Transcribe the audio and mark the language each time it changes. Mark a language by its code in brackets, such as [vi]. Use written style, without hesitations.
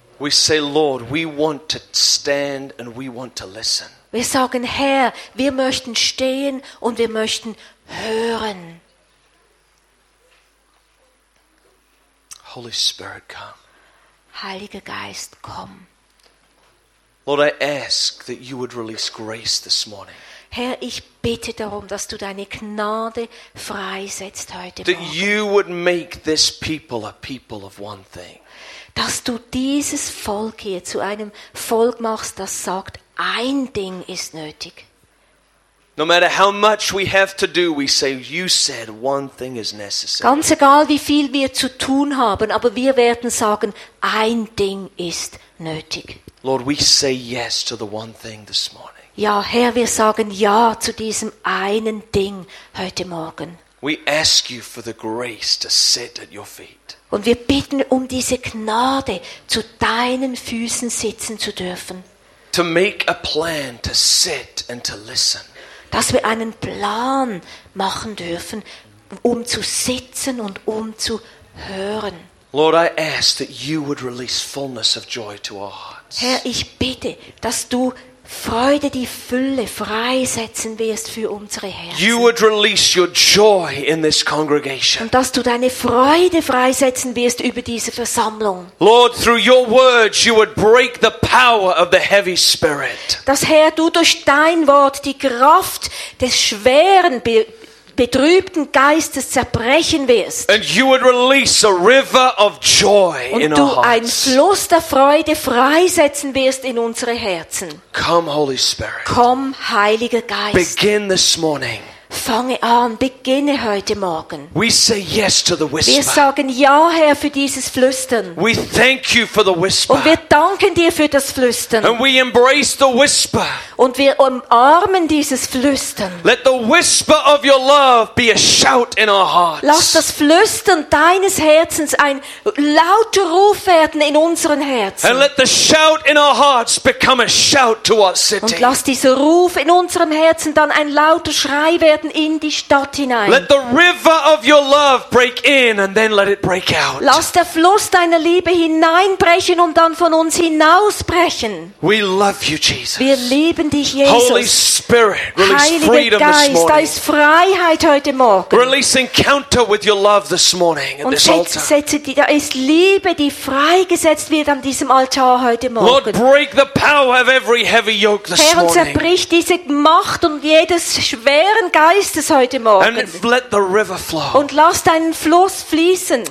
[en] We say, Lord, we want to stand and we want to listen. [de] Wir sagen, Herr, wir möchten stehen und wir möchten hören. [en] Holy Spirit, come. [de] Heiliger Geist, komm. [en] Lord, I ask that you would release grace this morning. [de] Herr, ich bitte darum, dass du deine Gnade freisetzt heute Morgen. [en] That you would make this people a people of one thing. [de] Dass du dieses Volk hier zu einem Volk machst, das sagt, ein Ding ist nötig. [en] No matter how much we have to do, we say, you said one thing is necessary. [de] Ganz egal, wie viel wir zu tun haben, aber wir werden sagen, ein Ding ist nötig. [en] Lord, we say yes to the one thing this morning. [de] Ja, Herr, wir sagen ja zu diesem einen Ding heute Morgen. [en] We ask you for the grace to sit at your feet. [de] Und wir bitten um diese Gnade, zu deinen Füßen sitzen zu dürfen. [en] To make a plan to sit and to listen. [de] Dass wir einen Plan machen dürfen, um zu sitzen und um zu hören. [en] Lord, I ask that you would release fullness of joy to our hearts. [de] Herr, ich bitte, dass du Freude, die Fülle freisetzen wirst für unsere Herzen. [en] You would release your joy in this congregation. [de] Und dass du deine Freude freisetzen wirst über diese Versammlung. [en] Lord, through your words you would break the power of the heavy spirit. [de] Dass Herr, du durch dein Wort die Kraft des schweren betrübten Geistes zerbrechen wirst. [en] And you would release a river of joy in our hearts. [de] Und du ein Fluss der Freude freisetzen wirst in unsere Herzen. [en] Come, Holy Spirit. [de] Komm, Heiliger Geist. [en] Begin this morning. [de] Fange an, beginne heute Morgen. [en] We say yes to the whisper. [de] Wir sagen ja, Herr, für dieses Flüstern. [en] We thank you for the whisper. [de] Und wir danken dir für das Flüstern. [en] And we embrace the whisper. [de] Und wir umarmen dieses Flüstern. [en] Let the whisper of your love be a shout in our hearts. [de] Lass das Flüstern deines Herzens ein lauter Ruf werden in unseren Herzen. [en] And let the shout in our hearts become a shout to our city. [de] Und lass dieser Ruf in unserem Herzen dann ein lauter Schrei werden in die Stadt hinein. [en] Let the river of your love break in and then let it break out. [de] Lass der Fluss deiner Liebe hineinbrechen und dann von uns hinausbrechen. [en] We love you, Jesus. [de] Wir lieben dich, Jesus. [en] Holy Spirit, release freedom [de] Geist, [en] this morning. [de] Da ist Freiheit heute Morgen. [en] Release encounter with your love this morning at [de] und [en] this altar. [de] Setze, da ist Liebe, die freigesetzt wird an diesem Altar heute Morgen. [en] Lord, break the power of every heavy yoke this [de] Herr, [en] morning. [de] Herr, zerbrich diese Macht und jedes schweren Geistes heute Morgen. [en] And let the river flow. [de] Und lass deinen Fluss fließen.